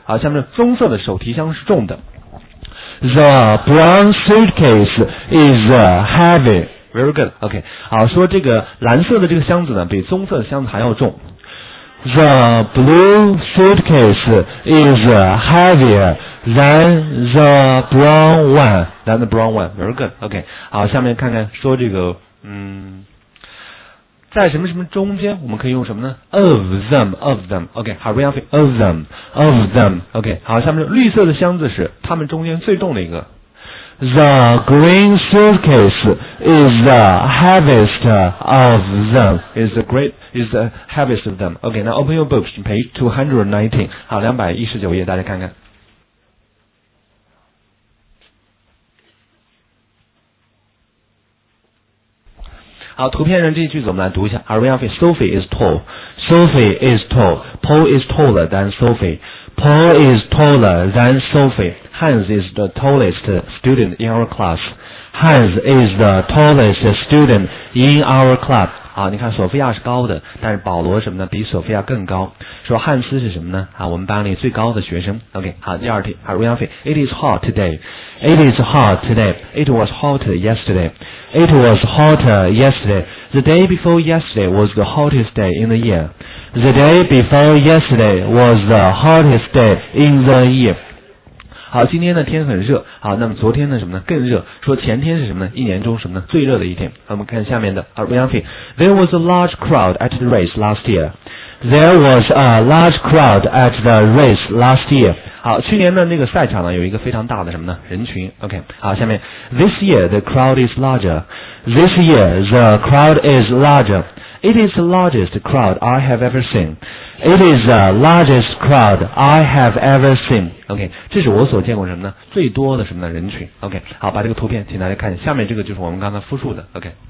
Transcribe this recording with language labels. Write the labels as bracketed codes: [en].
[zh] 好，下面棕色的手提箱是重的。 [en] The brown suitcase is heavy. Very good. OK. [zh] 好，说这个蓝色的这个箱子呢，比棕色的箱子还要重。 [en] The blue suitcase is heavier than the brown one. Than the brown one. Very good. [zh] OK. 好，下面看看说这个，在什么什么中间，我们可以用什么呢 ？ [en] Of them, of them. [zh] OK. 好 ，real fee. [en] Of them, of them. OK. [zh] 好，下面说绿色的箱子是他们中间最重的一个。 [en] The green suitcase is the heaviest of them. Is the great, is the heaviest of them. Okay, now open your books, page 219. [zh] 好，219页，大家看看。好，图片上这一句子我们来读一下。 [en] Our real fee, Sophie is tall. Sophie is tall. Paul is taller than Sophie. Paul is taller than Sophie. Hans is the tallest student in our class. Hans is the tallest student in our class. [zh] 好，你看索菲亚是高的，但是保罗什么呢？比索菲亚更高。说汉斯是什么呢？啊，我们班里最高的学生。 [en] OK， 好， [zh] 第二题， [en] 好 ，real fee. It is hot today. It is hot today. It was hot yesterday. It was hot yesterday. The day before yesterday was the hottest day in the year. The day before yesterday was the hottest day in the year. [zh] 好，今天的天很热。好，那么昨天呢什么呢？更热。说前天是什么呢？一年中什么呢？最热的一天。我们看下面的。好 ，real fee. [en] There was a large crowd at the race last year. There was a large crowd at the race last year. [zh] 好，去年的那个赛场呢，有一个非常大的什么呢？人群。OK. 好，下面。 [en] This year the crowd is larger. This year the crowd is larger. It is the largest crowd I have ever seen. It is the largest crowd I have ever seen. [zh] OK, 这是我所见过什么呢？最多的什么呢？人群。OK, 好，把这个图片请大家看一下。下面这个就是我们刚才复述的。 OK。